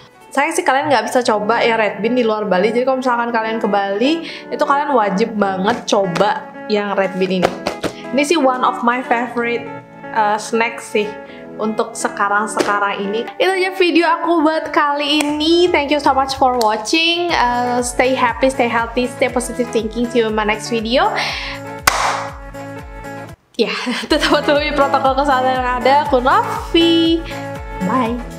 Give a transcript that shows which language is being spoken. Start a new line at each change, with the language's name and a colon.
Indonesian: Sayang sih kalian gak bisa coba ya red bean di luar Bali. Jadi kalau misalkan kalian ke Bali, itu kalian wajib banget coba yang red bean ini. Ini sih
English: one of my favorite snack
Indonesian: sih untuk sekarang-sekarang ini. Itu aja video aku buat kali ini.
English: Thank you so much for watching. Stay happy, stay healthy, stay positive thinking. See you in my next video.
Indonesian: Ya, tetap patuhi protokol kesehatan yang ada. Aku Novi. Bye.